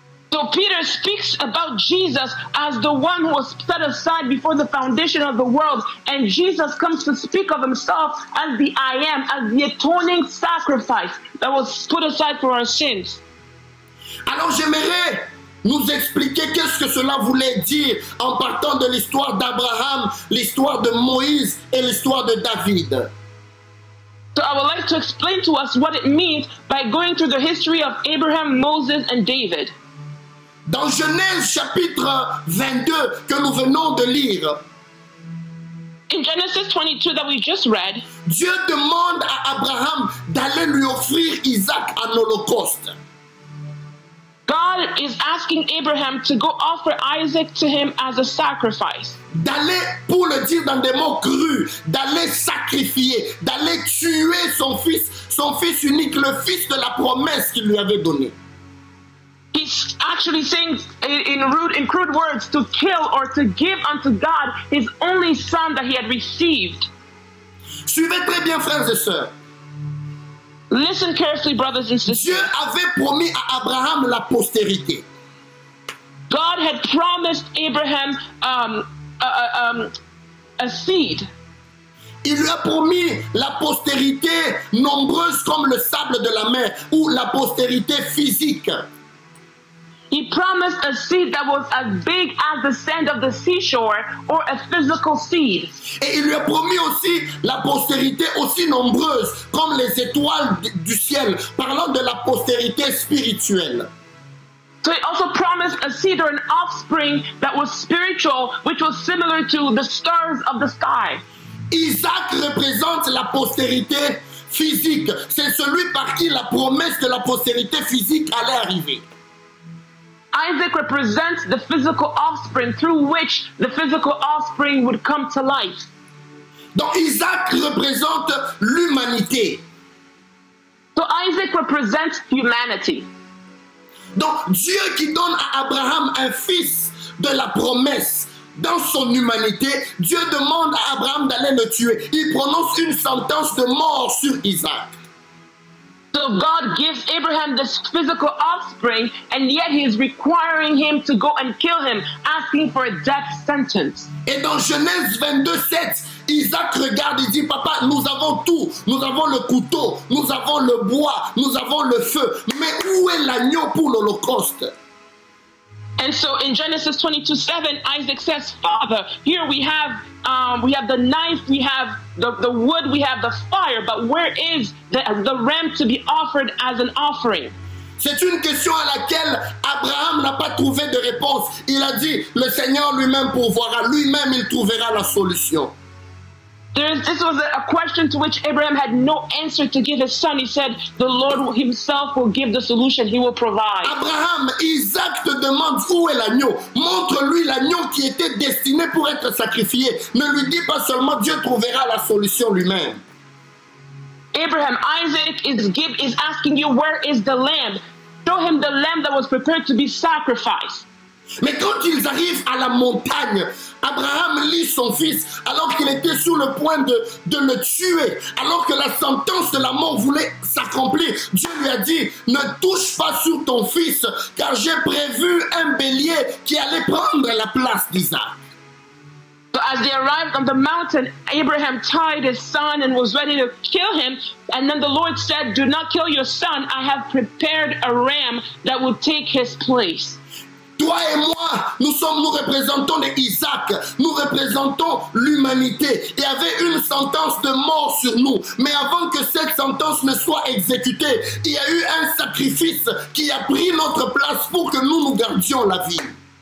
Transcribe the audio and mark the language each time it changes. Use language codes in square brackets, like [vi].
[en] So Peter speaks about Jesus as the one who was set aside before the foundation of the world, and Jesus comes to speak of himself as the I am, as the atoning sacrifice that was put aside for our sins. [fr] Alors j'aimerais nous expliquer qu'est-ce que cela voulait dire en partant de l'histoire d'Abraham, l'histoire de Moïse et l'histoire de David. [en] So I would like to explain to us what it means by going through the history of Abraham, Moses and David. [fr] Dans Genèse chapitre 22 que nous venons de lire, [en] in Genesis 22 that we just read, [fr] Dieu demande à Abraham d'aller lui offrir Isaac en holocauste. [en] God is asking Abraham to go offer Isaac to him as a sacrifice. [fr] D'aller, pour le dire dans des mots crus, d'aller sacrifier, d'aller tuer son fils unique, le fils de la promesse qu'il lui avait donnée. [en] He's actually saying in crude words to kill or to give unto God his only son that he had received. [fr] Suivez très bien, frères et sœurs. [en] Listen carefully, brothers and sisters. [fr] Dieu avait promis à Abraham la postérité. [en] God had promised Abraham a seed. [fr] Il lui a promis la postérité nombreuse comme le sable de la mer ou la postérité physique. [en] He promised a seed that was as big as the sand of the seashore or a physical seed. [fr] Et il lui a promis aussi la postérité aussi nombreuse comme les étoiles du ciel, parlant de la postérité spirituelle. [en] So he also promised a seed or an offspring that was spiritual, which was similar to the stars of the sky. [fr] Isaac représente la postérité physique. C'est celui par qui la promesse de la postérité physique allait arriver. [en] Isaac represents the physical offspring through which the physical offspring would come to life. [fr] Donc Isaac représente l'humanité. [en] So Isaac represents humanity. [fr] Donc Dieu qui donne à Abraham un fils de la promesse dans son humanité, Dieu demande à Abraham d'aller le tuer. Il prononce une sentence de mort sur Isaac. [en] So God gives Abraham this physical offspring, and yet he is requiring him to go and kill him, asking for a death sentence. [fr] Et dans Genèse 22, 7, Isaac regarde et dit, papa, nous avons tout. Nous avons le couteau, nous avons le bois, nous avons le feu. Mais où est l'agneau pour l'holocauste? [en] And so in Genesis 22, 7, Isaac says, Father, here we have the knife, we have the wood, we have the fire, but where is the ram to be offered as an offering? [fr] C'est une question à laquelle Abraham n'a pas trouvé de réponse. Il a dit, le Seigneur lui-même pourvoira, lui-même il trouvera la solution. [en] This was a question to which Abraham had no answer to give his son. He said, the Lord himself will give the solution. He will provide. [fr] Abraham, Isaac te demande où est l'agneau. Montre-lui l'agneau qui était destiné pour être sacrifié. Ne lui dis pas seulement Dieu trouvera la solution lui-même. [en] Abraham, Isaac is asking you, where is the lamb? Show him the lamb that was prepared to be sacrificed. [fr] Mais quand ils arrivent à la montagne, Abraham lit son fils alors qu'il était sur le point de le tuer, alors que la sentence de la mort voulait s'accomplir. Dieu lui a dit, ne touche pas sur ton fils, car j'ai prévu un bélier qui allait prendre la place d'Isaac. [en] So as they arrived on the mountain, Abraham tied his son and was ready to kill him. And then the Lord said, do not kill your son. I have prepared a ram that will take his place. [fr] Toi et moi, nous représentons les Isaac, nous représentons l'humanité. Il y avait une sentence de mort sur nous, mais avant que cette sentence ne soit exécutée, il y a eu un sacrifice qui a pris notre place pour que nous nous gardions la vie.